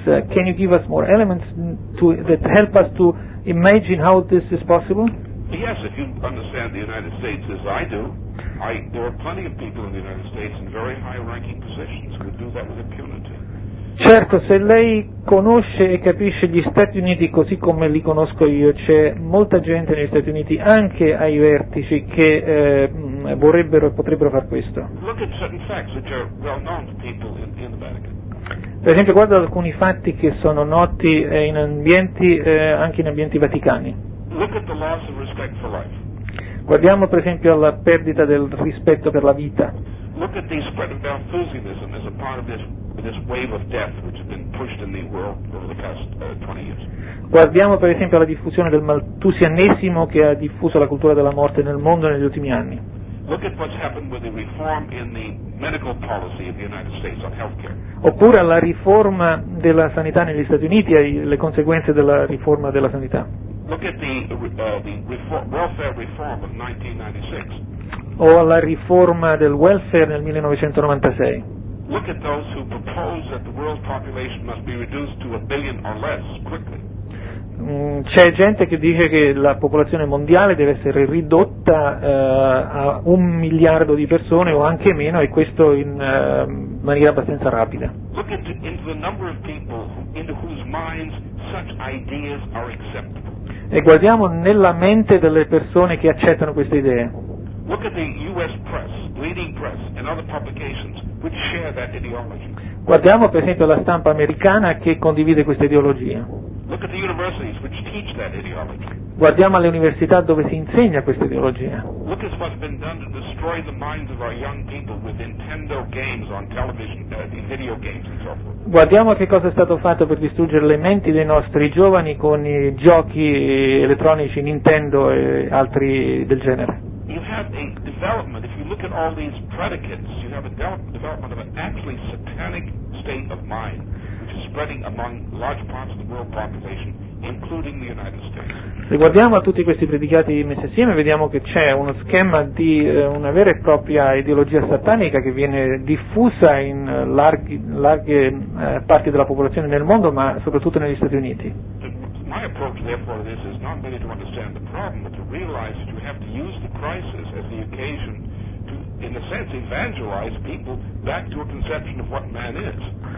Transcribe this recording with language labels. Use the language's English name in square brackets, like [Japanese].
[English] Can you give us more elements that help us to imagine how this is possible? Yes, if you understand the United States as I do. There are plenty of people in the United States in very high-ranking positions who do that with impunity. [Italian] Certo, se lei conosce e capisce gli Stati Uniti così come li conosco io, c'è molta gente negli Stati Uniti, anche ai vertici, che vorrebbero e potrebbero far questo. [English] Look at certain facts which are well known to people in the Vatican. [Italian] Per esempio, guarda alcuni fatti che sono noti in ambienti, anche in ambienti vaticani. [English] Look at the loss of respect for life. [Italian] Guardiamo per esempio alla perdita del rispetto per la vita. [English] Look at the spread of Malthusianism as a part of this wave of death which has been pushed in the world over the past 20 years. [Italian] Guardiamo per esempio alla diffusione del malthusianesimo che ha diffuso la cultura della morte nel mondo negli ultimi anni. [English] Look at what's happened with the reform in the medical policy of the United States on healthcare. [Italian] Oppure alla riforma della sanità negli Stati Uniti e le conseguenze della riforma della sanità. [English] Look at the welfare reform of 1996. [Italian] O alla riforma del welfare nel 1996. [English] Look at those who propose that the world population must be reduced to a billion or less quickly. [Italian] C'è gente che dice che la popolazione mondiale deve essere ridotta a 1 miliardo di persone o anche meno, e questo in maniera abbastanza rapida. [English] Look at the number of people into whose minds such ideas are acceptable. [Italian] E guardiamo nella mente delle persone che accettano queste idee. [English] Look at the US press, leading press, and other publications which share that ideology. [Italian] Guardiamo per esempio la stampa americana che condivide questa ideologia. [English] Look at the universities which teach that ideology. [Italian] Guardiamo alle università dove si insegna questa ideologia. [English] Look at what's been done to destroy the minds of our young people with Nintendo games on television, video games and so forth. [Italian] Guardiamo che cosa è stato fatto per distruggere le menti dei nostri giovani con i giochi elettronici Nintendo e altri del genere. [English] You have a development, if you look at all these predicates, you have a development of an actually satanic state of mind, which is spreading among large parts of the world population, including the United States. [Italian] Se guardiamo a tutti questi predicati messi assieme, vediamo che c'è uno schema di una vera e propria ideologia satanica che viene diffusa in larghe parti della popolazione nel mondo, ma soprattutto negli Stati Uniti. [English] My approach, therefore, this is not merely to understand the problem, but to realize that you have to use the crisis as the occasion to, in a sense, evangelize people back to a conception of what man is.